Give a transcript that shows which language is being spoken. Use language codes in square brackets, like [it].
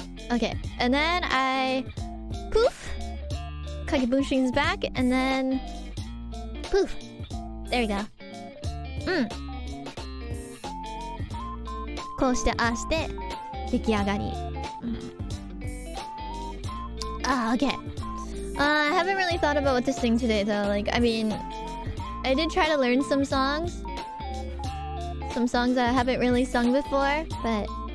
[en] Okay, and then I poof, Kage Bunshin's back, and then poof, there we go. [ja] こうしてああして出来上がり。 [en] Okay. I haven't really thought about what to sing today though. Like, I mean, I did try to learn some songs. Some songs that I haven't really sung before, but.